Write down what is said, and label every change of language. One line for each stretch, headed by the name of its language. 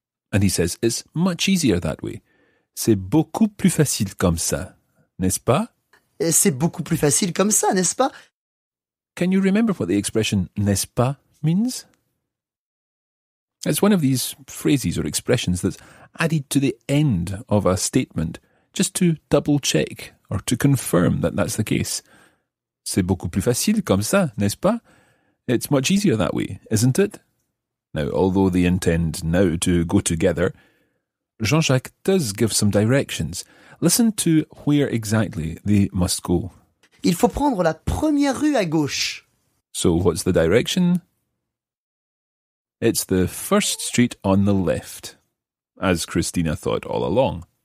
English: And he says, it's much easier that way.
French: C'est beaucoup plus facile comme ça, n'est-ce pas? C'est beaucoup plus facile comme ça, n'est-ce pas?
English: Can you remember what the expression
French: n'est-ce pas
English: means? It's one of these phrases or expressions that's added to the end of a statement just to double check or to confirm that that's the case.
French: C'est beaucoup plus facile comme ça, n'est-ce pas?
English: It's much easier that way, isn't it? Now, although they intend now to go together, Jean-Jacques does give some directions. Listen to where exactly they must go.
French: Il faut prendre la première rue à gauche.
English: So what's the direction? It's the first street on the left, as Christina thought all along.